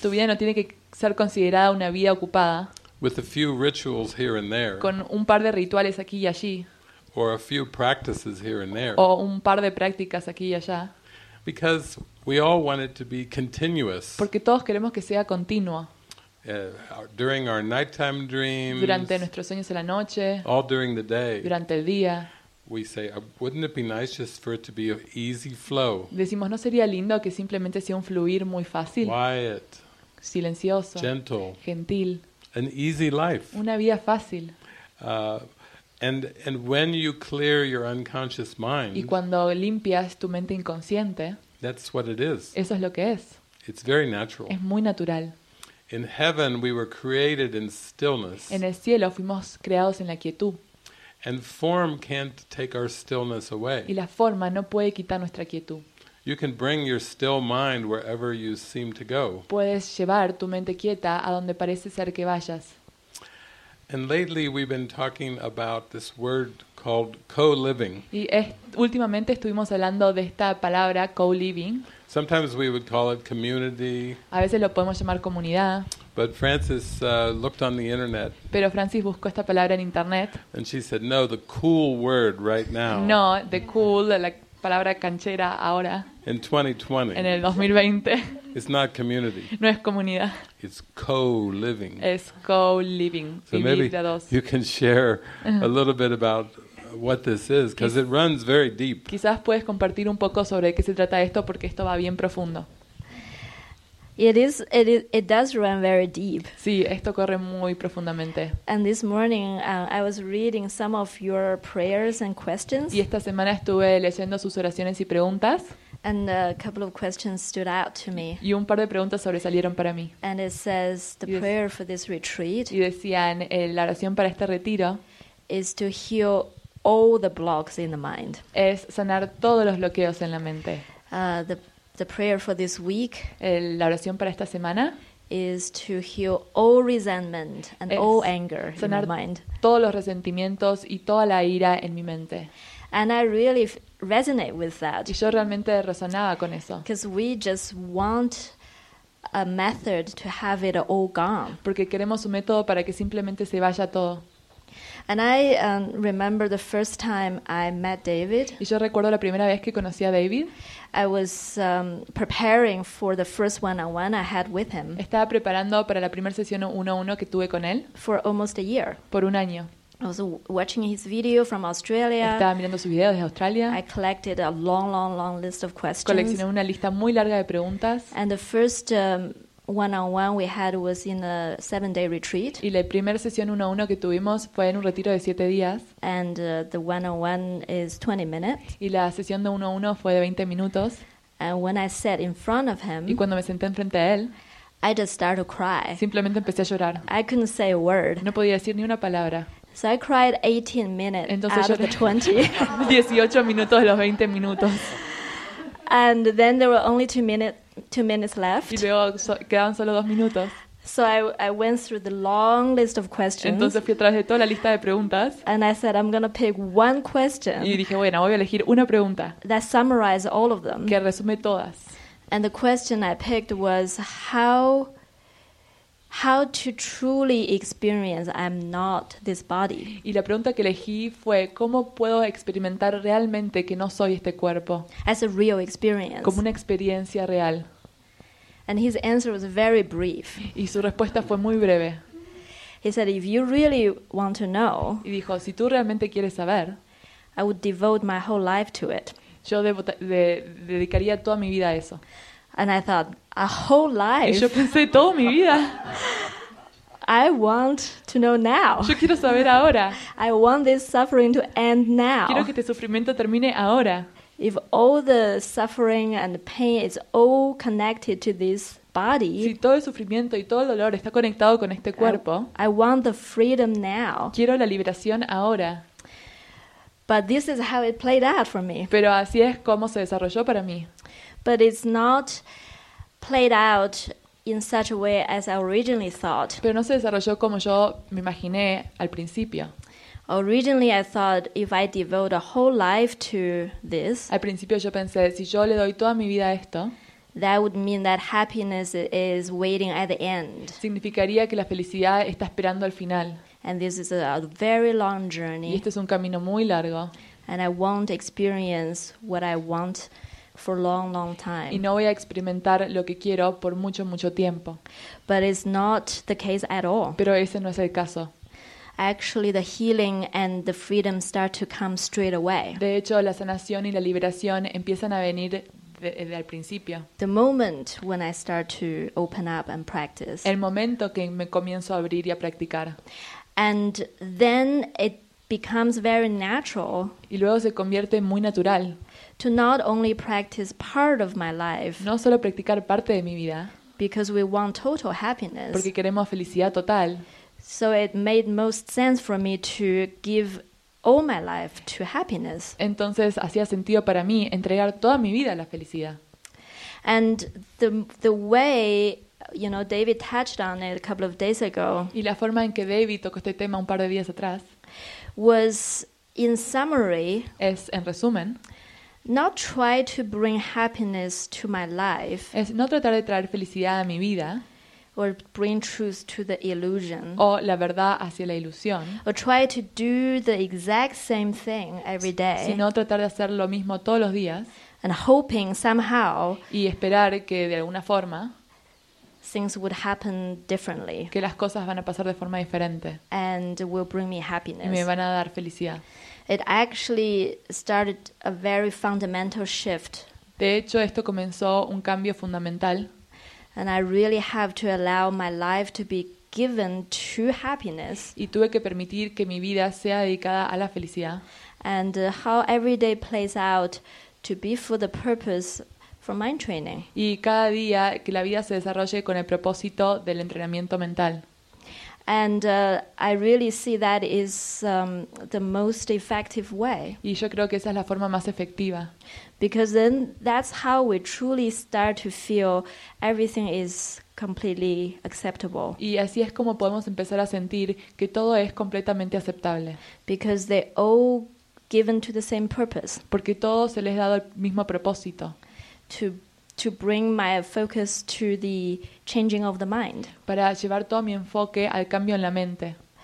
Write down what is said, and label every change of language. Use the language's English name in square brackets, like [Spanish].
[Spanish] tu vida no tiene que ser considerada una vida ocupada, [English] with a few rituals here and there, [Spanish] con un par de rituales aquí y allí, [English] or a few practices here and there, [Spanish] o un par de prácticas aquí y allá, [English] because we all want it to be continuous, [Spanish] porque todos queremos que sea continuo. [English] During our nighttime dreams, [Spanish] durante nuestros sueños en la noche, [English] all during the day, [Spanish] durante el día, [English] we say, "Wouldn't it be nice just for it to be an easy flow?" [Spanish] Decimos, ¿no sería lindo que simplemente sea un fluir muy fácil? [English] Quiet, [Spanish] silencioso, [English] gentle, [Spanish] gentil, [English] an easy life, [Spanish] una vida fácil. [English] And when you clear your unconscious mind, [Spanish] y cuando limpias tu mente inconsciente, [English] that's what it is. [Spanish] Eso es lo que es. [English] It's very natural. [Spanish] Es muy natural. [English] In heaven we were created in stillness. [Spanish] En el cielo fuimos creados en la quietud. [English] And form can't take our stillness away. [Spanish] Y la forma no puede quitar nuestra quietud. [English] You can bring your still mind wherever you seem to go. [Spanish] Puedes llevar tu mente quieta a donde parece ser que vayas. [English] And lately we've been talking about this word called co-living. [Spanish] Y últimamente estuvimos hablando de esta palabra co-living. [English] Sometimes we would call it community. [Spanish] A veces lo podemos llamar comunidad. [English] But Francis looked on the internet. [Spanish] Pero Francis buscó esta palabra en internet. [English] And she said, "No, the cool word right now." No, the cool, [Spanish] la palabra canchera ahora. [English] In 2020. [Spanish] En el 2020. [English] It's not community. [Spanish] No es comunidad. [English] It's co-living. [Spanish] Es co-living. [English] So maybe you can share a little bit about what this is, because it runs very deep. [Spanish] Quizás puedes compartir un poco sobre qué se trata esto, porque esto va bien profundo. [English] It does run very deep. [Spanish] Sí, esto corre muy profundamente. [English] And this morning, I was reading some of your prayers and questions. [Spanish] Y esta semana estuve leyendo sus oraciones y preguntas. [English] And a couple of questions stood out to me. [Spanish] Y un par de preguntas sobresalieron para mí. [English] And it says the prayer for this retreat. [Spanish] Y decían la oración para este retiro. [English] Is to heal all the blocks in the mind. [Spanish] Es sanar todos los bloqueos en la mente. [English] The prayer for this week. [Spanish] La oración para esta semana. [English] Is to heal all resentment and all anger in my mind. [Spanish] Sanar todos los resentimientos y toda la ira en mi mente. [English] And I really resonate with that. [Spanish] Y yo realmente resonaba con eso. [English] Because we just want a method to have it all gone. [Spanish] Porque queremos un método para que simplemente se vaya todo. [English] And I remember the first time I met David. [Spanish] Y yo recuerdo la primera vez que conocí a David. [English] I was preparing for the first one-on-one I had with him. [Spanish] Estaba preparando para la primera sesión uno a uno que tuve con él. [English] For almost a year. [Spanish] Por un año. [English] I was watching his video from Australia. [Spanish] Estaba mirando sus videos desde Australia. [English] I collected a long list of questions. [Spanish] Coleccioné una lista muy larga de preguntas. [English] And the first one-on-one we had was in a 7-day retreat. [Spanish] Y la primera sesión uno a uno que tuvimos fue en un retiro de 7 días. [English] And the one-on-one is 20 minutes. [Spanish] Y la sesión de uno a uno fue de 20 minutos. [English] And when I sat in front of him, [Spanish] y cuando me senté enfrente a él, [English] I just started to cry. [Spanish] Simplemente empecé a llorar. [English] I couldn't say a word. [Spanish] No podía decir ni una palabra. [English] So I cried 18 minutes. [Spanish] Entonces [English] out [Spanish] lloré [English] of the 20. [Spanish] 18 minutos de los 20 minutos. [English] And then there were only 2 minutes left. [Spanish] Y luego quedaban solo 2 minutos. [English] So I went through the long list of questions. [Spanish] Entonces fui atrás de toda la lista de preguntas. [English] And I said I'm going to pick one question. [Spanish] Y dije, bueno, voy a elegir una pregunta. [English] That summarizes all of them. [Spanish] Que resume todas. [English] And the question I picked was how to truly experience I'm not this body. [Spanish] Y la pregunta que elegí fue cómo puedo experimentar realmente que no soy este cuerpo. [English] As a real experience. [Spanish] Como una experiencia real. [English] And his answer was very brief. [Spanish] Y su respuesta fue muy breve. [English] He said, "If you really want to know," [Spanish] y dijo, si tú realmente quieres saber, [English] "I would devote my whole life to it." [Spanish] Yo dedicaría toda mi vida a eso. [English] And I thought, a whole life. [Spanish] Y yo pensé, toda mi vida. [English] I want to know now. [Spanish] Yo quiero saber ahora. [English] I want this suffering to end now. [Spanish] Quiero que este sufrimiento termine ahora. [English] If all the suffering and pain is all connected to this body. [Spanish] Si todo el sufrimiento y todo el dolor está conectado con este cuerpo. [English] I want the freedom now. [Spanish] Quiero la liberación ahora. [English] But this is how it played out for me. [Spanish] Pero así es como se desarrolló para mí. [English] But it's not played out in such a way as I originally thought. [Spanish] Pero no se desarrolló como yo me imaginé al principio. [English] Originally I thought if I devote a whole life to this. [Spanish] Al principio yo pensé si yo le doy toda mi vida a esto. [English] That would mean that happiness is waiting at the end. [Spanish] Significaría que la felicidad está esperando al final. [English] And this is a very long journey. [Spanish] Y este es un camino muy largo. [English] And I won't experience what I want for a long, long time. [Spanish] Y no voy a experimentar lo que quiero por mucho, mucho tiempo. [English] But it's not the case at all. [Spanish] Pero ese no es el caso. [English] Actually, the healing and the freedom start to come straight away. [Spanish] De hecho, la sanación y la liberación empiezan a venir desde el principio. [English] The moment when I start to open up and practice. [Spanish] El momento que me comienzo a abrir y a practicar. [English] And then it becomes very natural. [Spanish] Y luego se convierte muy natural. [English] To not only practice part of my life. [Spanish] No solo practicar parte de mi vida. [English] Because we want total happiness. [Spanish] Porque queremos felicidad total. [English] So it made most sense for me to give all my life to happiness. [Spanish] Entonces hacía sentido para mí entregar toda mi vida a la felicidad. [English] And the way, you know, David touched on it a couple of days ago. [Spanish] Y la forma en que David tocó este tema un par de días atrás. [English] Was in summary. [Spanish] Es en resumen. [English] Not try to bring happiness to my life. [Spanish] Es no tratar de traer felicidad a mi vida. [English] Or bring truth to the illusion. [Spanish] O la verdad hacia la ilusión. [English] Or try to do the exact same thing every day. [Spanish] Sino tratar de hacer lo mismo todos los días. [English] And hoping somehow. [Spanish] Y esperar que de alguna forma. [English] Things would happen differently. [Spanish] Que las cosas van a pasar de forma diferente. [English] And will bring me happiness. [Spanish] Y me van a dar felicidad. [English] It actually started a very fundamental shift. [Spanish] De hecho, esto comenzó un cambio fundamental. [English] And I really have to allow my life to be given to happiness. [Spanish] Y tuve que permitir que mi vida sea dedicada a la felicidad. [English] And how every day plays out to be for the purpose for mind training. [Spanish] Y cada día que la vida se desarrolle con el propósito del entrenamiento mental. [English] And I really see that is the most effective way. [Spanish] Y yo creo que esa es la forma más efectiva. [English] Because then that's how we truly start to feel everything is completely acceptable. [Spanish] Y así es como podemos empezar a sentir que todo es completamente aceptable. [English] Because they all given to the same purpose. [Spanish] Porque todo se les ha dado el mismo propósito. [English] To bring my focus to the changing of the mind. [Spanish] Para llevar todo mi enfoque al cambio en la mente.